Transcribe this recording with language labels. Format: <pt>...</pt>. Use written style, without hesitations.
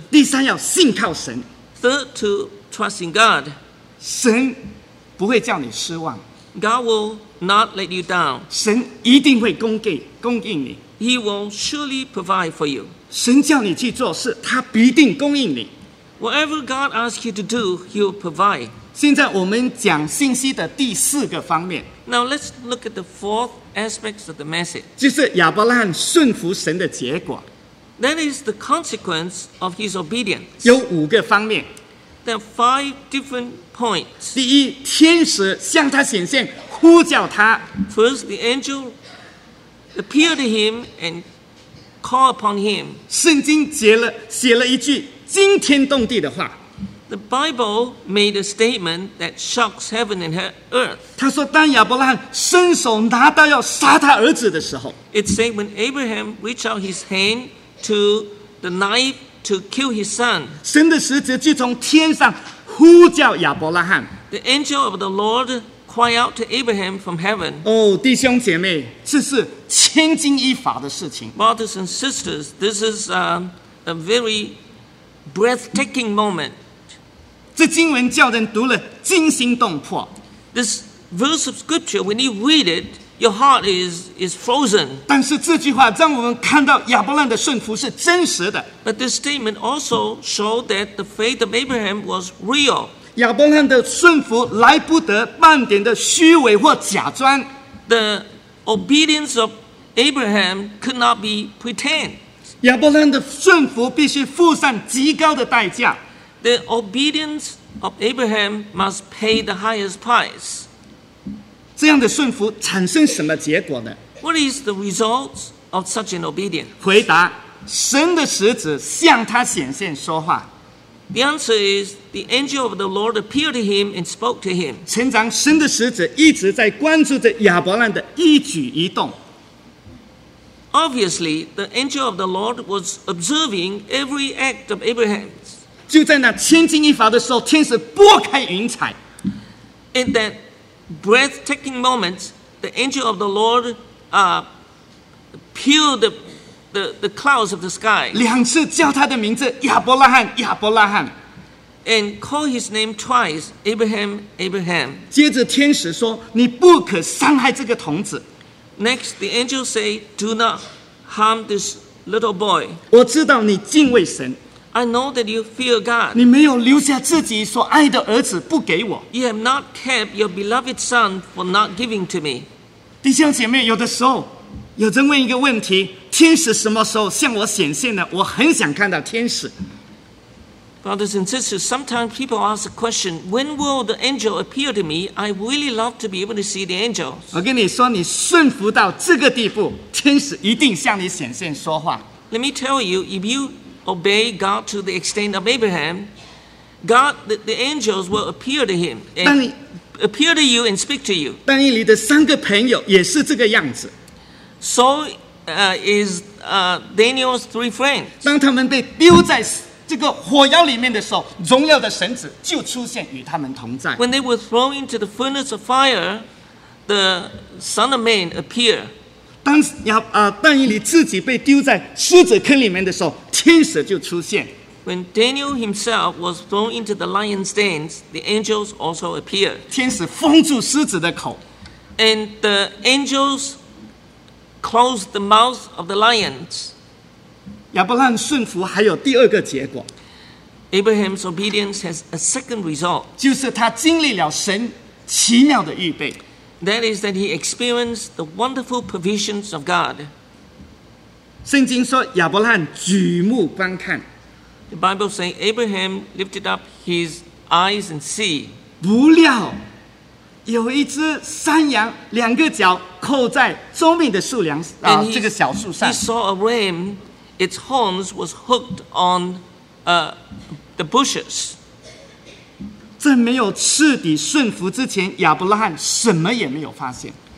<zh>第三要信靠神。</zh> <en>Third, to trust in God.</en> <zh>神不会叫你失望。</zh> <en>God will not let you down.</en> <zh>神一定会供应你。</zh> <en>He will surely provide for you.</en> <zh>神叫你去做事，他必定供应你。</zh> <en>Whatever God asks you to do, He will provide.</en> <zh>现在我们讲信息的第四个方面。</zh> <en>Now let's look at the fourth aspects of the message.</en> <zh>就是亚伯拉罕顺服神的结果。</zh> <en>That is the consequence of his obedience.</en> <zh>有五个方面。</zh> <en>There are five different points.</en> <zh>第一，天使向他显现，呼叫他。</zh> <en>First, the angel appeared to him and called upon him.</en> <zh>圣经写了一句惊天动地的话。</zh> <en>The Bible made a statement that shocks heaven and earth.</en> <zh>他说，当亚伯拉罕伸手拿刀要杀他儿子的时候</zh> <en>，It said when Abraham reached out his hand to the knife. To kill his son.</en> <zh>神的使者就从天上呼叫亚伯拉罕。</zh> <en>The angel of the Lord cried out to Abraham from heaven.</en> <zh>哦，弟兄姐妹，这是千钧一发的事情。</zh> <en>Brothers and sisters, this is a very breathtaking moment.</en> <zh>这经文叫人读了惊心动魄。</zh> <en>This verse of scripture, when you read it, your heart is frozen.</en> <zh>但是这句话让我们看到亚伯拉罕的顺服是真实的。</zh> <en>But this statement also showed that the faith of Abraham was real.</en> <zh>亚伯拉罕的顺服来不得半点的虚伪或假装。</zh> <en>The obedience of Abraham could not be pretend.</en> <zh>亚伯拉罕的顺服必须付上极高的代价。</zh> <en>The obedience of Abraham must pay the highest price.</en> <zh>这样的顺服产生什么结果呢</zh> <en>？What is the result of such an obedience？</en> <zh>回答：神的使者向他显现说话。</zh> <en>The answer is the angel of the Lord appeared to him and spoke to him。</en> <zh>成长，神的使者一直在关注着亚伯拉罕的一举一动。</zh> <en>Obviously, the angel of the Lord was observing every act of Abraham's。</en> <zh>就在那千钧一发的时候，天使拨开云彩。</zh> <en>And then. Breathtaking moment, the angel of the Lord peeled the clouds of the sky.</en> <zh>两次叫他的名字亚伯拉罕，亚伯拉罕</zh> <en>and call his name twice, Abraham, Abraham.</en> <zh>接着天使说，你不可伤害这个童子。</zh> <en>Next, the angel say, "Do not harm this little boy."</en> <zh>我知道你敬畏神。</zh> <en>I know that you fear God.</en> <zh>你没有留下自己所爱的儿子不给我。</zh> <en>You have not kept your beloved son for not giving to me.</en> <zh>弟兄姐妹，有的时候有人问一个问题：天使什么时候向我显现呢？我很想看到天使。</zh> <en>Brothers and sisters, sometimes people ask a question: When will the angel appear to me? I really love to be able to see the angel.</en> <zh>我跟你说，你顺服到这个地步，天使一定向你显现说话。</zh> <en>Let me tell you, if you obey God to the extent of Abraham, God, the angels will appear to him and appear to you and speak to you.</en> <zh>但以理的三个朋友也是这个样子。</zh> <en>Saul is Daniel's three friends.</en> <zh>当他们被丢在这个火窑里面的时候，荣耀的神子就出现与他们同在。</zh> <en>When they were thrown into the furnace of fire, the Son of Man appeared.</en> <zh>当但以理自己被丢在狮子坑里面的时候，天使就出现。</zh> <en>When Daniel himself was thrown into the lion's den, the angels also appeared.</en> <zh>天使封住狮子的口。</zh> <en>And the angels closed the mouth of the lions.</en> <zh>亚伯拉罕顺服还有第二个结果。</zh> <en>Abraham's obedience has a second result.</en> <zh>就是他经历了神奇妙的预备。</zh> <en>That is that he experienced the wonderful provisions of God.</en> <zh>圣经说亚伯拉罕举目观看。</zh> <en>The Bible says Abraham lifted up his eyes and see.</en> <zh>不料有一只山羊，两个脚扣在周密的树梁这个小树上。</zh> <en>He saw a ram, its horns was hooked on, the bushes.</en> <zh>在没有彻底顺服之前，亚伯拉罕什么也没有发现。</zh>